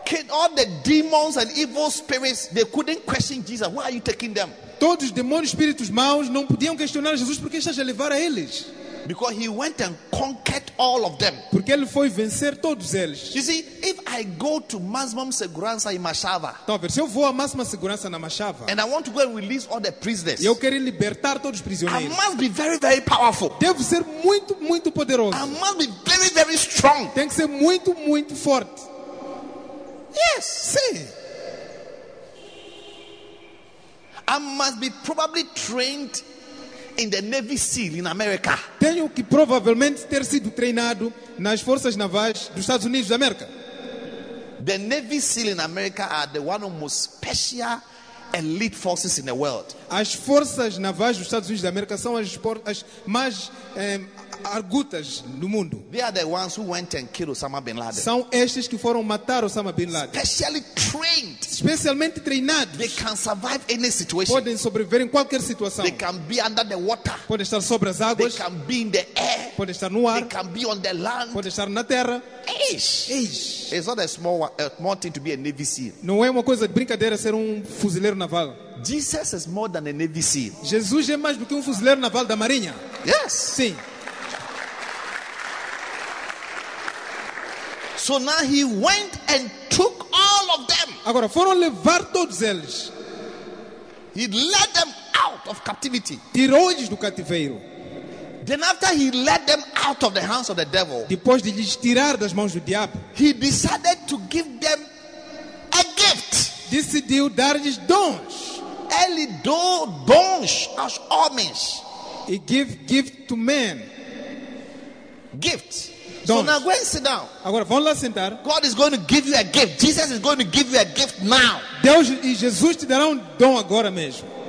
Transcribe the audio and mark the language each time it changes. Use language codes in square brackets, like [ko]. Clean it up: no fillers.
[en] All the demons and evil spirits, they couldn't question Jesus. Why are you taking them? [pt] Todos os demônios, espíritos maus, não podiam questionar Jesus porque estás a levar a eles. [en] Because he went and conquered all of them. [pt] Porque ele foi vencer todos eles. [en] You see, if I go to maximum segurança in Machava. [pt] Então, se eu vou à máxima segurança na Machava. [en] And I want to go and release all the prisoners. [pt] E eu quero libertar todos os prisioneiros. [en] I must be very, very powerful. [pt] Devo ser muito, muito poderoso. [en] I must be very, very strong. [pt] Tenho que ser muito, muito forte. [en] Yes, see. I must be probably trained in the Navy SEAL in America. [pt] Tenho que provavelmente ter sido treinado nas forças navais dos Estados Unidos da América. [en] The Navy SEAL in America are the one of the most special elite forces in the world. [pt] As forças navais dos Estados Unidos da América são as mais argutas no mundo. [en] They are the ones who went and killed Osama bin Laden. [pt] São estes que foram matar Osama bin Laden. [en] Specially trained. [pt] Especialmente treinados. [en] They can survive any situation. [pt] Podem sobreviver em qualquer situação. [en] They can be under the water. [pt] Podem estar sobre as águas. [en] They can be in the air. [pt] Podem estar no ar. [en] They can be on the land. [pt] Podem estar na terra. Eish. [en] It's not a small thing to be a Navy SEAL. [pt] Não é uma coisa de brincadeira ser fuzileiro naval. [en] Jesus is more than a Navy SEAL. [pt] Jesus é mais do que fuzileiro naval da Marinha. [en] Yes. [pt] Sim. [en] So now he went and took all of them. [pt] Agora foram levar todos eles. [en] He led them out of captivity. [pt] Tirou-os do cativeiro. [en] Then after he led them out of the hands of the devil. [pt] Depois de lhes tirar das mãos do diabo. [en] He decided to give them a gift. [pt] Decidiu dar-lhes dons. Ele deu dons aos homens. [en] He gave gift to men. Gift. Don't. So now go and sit down. [pt] Agora vamos lá sentar. [en] God is going to give you a gift. Jesus is going to give you a gift now. [pt] Deus e Jesus te darão dom agora mesmo.